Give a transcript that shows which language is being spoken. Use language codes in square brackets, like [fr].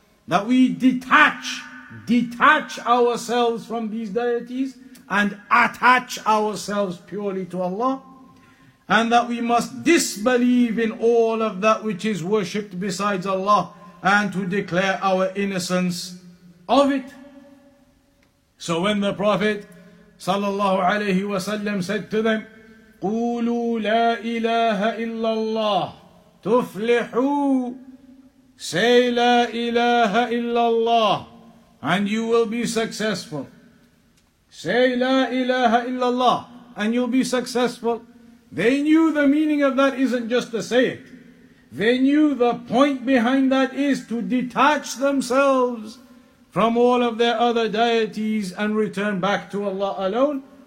[en] That we detach ourselves from these deities and attach ourselves purely to Allah. And that we must disbelieve in all of that which is worshipped besides Allah and to declare our innocence of it. So when the Prophet ﷺ said to them, [ar] قولوا لا إله إلا الله تفلحوا, [en] say [ar] لا إله إلا الله [en] and you will be successful. Say La ilaha illallah and you'll be successful. They knew the meaning of that isn't just to say it. They knew the point behind that is to detach themselves from all of their other deities and return back to Allah alone.